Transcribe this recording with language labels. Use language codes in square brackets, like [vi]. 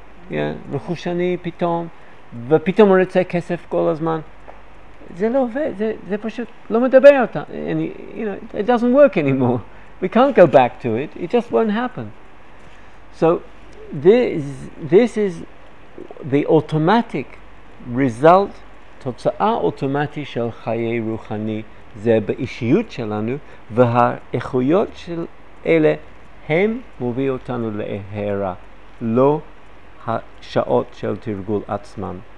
[he] Yeah, רכושני פתאום, ופתאום הוא רוצה כסף כל הזמן. זה לא עובד, זה פשוט לא מדבר אותה. [en] And, you know, it doesn't work anymore. We can't go back to it. It just won't happen. So this is the automatic result, [he] תוצאה אוטומטי של חיי רוחני, זה באישיות שלנו, והאיכויות של אלה, הם מוביל אותנו להערה, לא השעות של תרגול עצמן.